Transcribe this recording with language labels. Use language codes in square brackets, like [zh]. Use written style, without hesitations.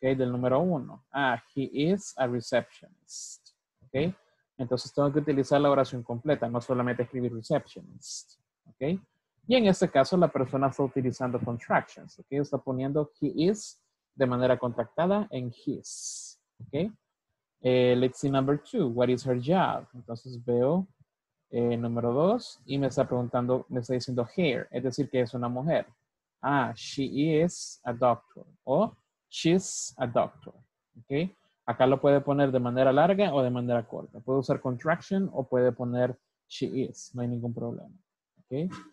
[es] Del número uno. [en] Ah, he is a receptionist, ¿ok? [es] Entonces, tengo que utilizar la oración completa, no solamente escribir receptionist, ¿ok? Y en este caso, la persona está utilizando contractions, ¿ok? Está poniendo [en] he is [es] de manera contractada en his, ¿ok? [en] Let's see number two, what is her job? [es] Entonces veo número dos y me está preguntando, me está diciendo hair, es decir que es una mujer. [en] Ah, she is a doctor o she's a doctor. Okay? [es] Acá lo puede poner de manera larga o de manera corta. Puede usar contraction o puede poner [en] she is, [es] no hay ningún problema. Okay?